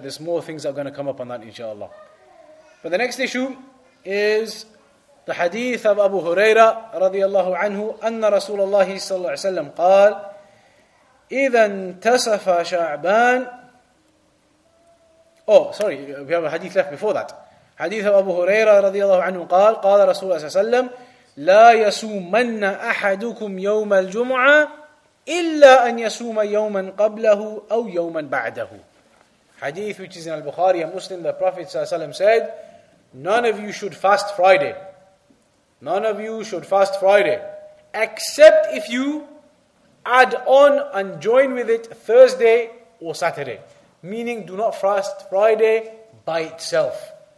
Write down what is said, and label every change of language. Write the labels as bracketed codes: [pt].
[en] There's more things that are going to come up on that, inshallah. But the next issue is The hadith of Abu Huraira radiallahu anhu, anna Rasulullah sallallahu alayhi wa sallam qal, [ar] إذا انتصف شعبان. [en] Oh, sorry, we have a hadith left before that. [ar] Hadith of Abu Huraira radiallahu anhu qal, qal Rasulullah sallallahu alayhi wa sallam, لا يسومن أحدكم يوم الجمعة إلا أن يسوم يوما قبله أو يوما بعده. [en] Hadith which is in Al-Bukhari and Muslim, the Prophet sallallahu alayhi wa sallam said, none of you should fast Friday. None of you should fast Friday, except if you add on and join with it Thursday or Saturday. Meaning, do not fast Friday by itself.